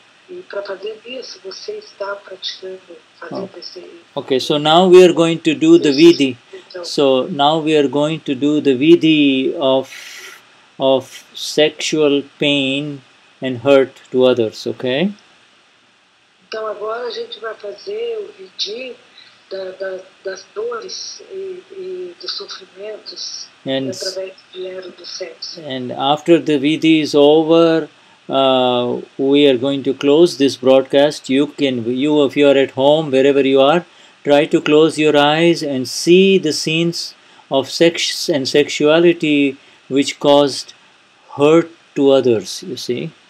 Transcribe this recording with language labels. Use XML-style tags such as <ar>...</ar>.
<pt>E para fazer isso, você está praticando, fazendo esse...</pt> <en>Okay, so now we are going to do the vidhi. So now we are going to do the vidhi of sexual pain and hurt to others, okay?</en> <pt>Então agora a gente vai fazer o vidhi das dores e dos sofrimentos através do sexo.</pt> <en>And after the vidhi is over, we are going to close this broadcast. If you are at home, wherever you are, try to close your eyes and see the scenes of sex and sexuality which caused hurt to others, you see.</en>